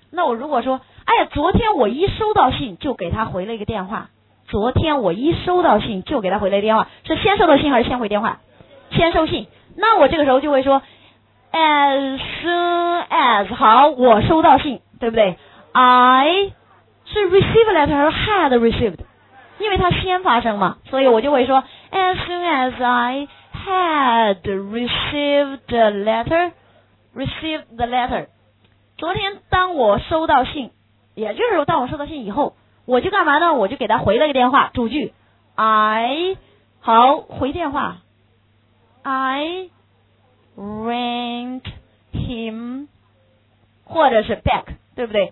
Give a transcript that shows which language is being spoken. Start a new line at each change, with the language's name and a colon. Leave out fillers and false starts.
Chinese: 那我如果说，哎呀，昨天我一收到信就给他回了一个电话，昨天我一收到信就给他回了一个电话，是先收到信还是先回电话？先收信。那我这个时候就会说 as soon as，好，我收到信，对不对？
English: I 是 receive letter 还是 had received？
Chinese: 因为它先发生嘛，所以我就会说 as soon as I had received the letter， received the letter，昨天当我收到信，也就是说当我收到信以后，我就干嘛呢？我就给他回了个电话，主句 I， 好，回电话， I rang him，或者是 back， 对不对？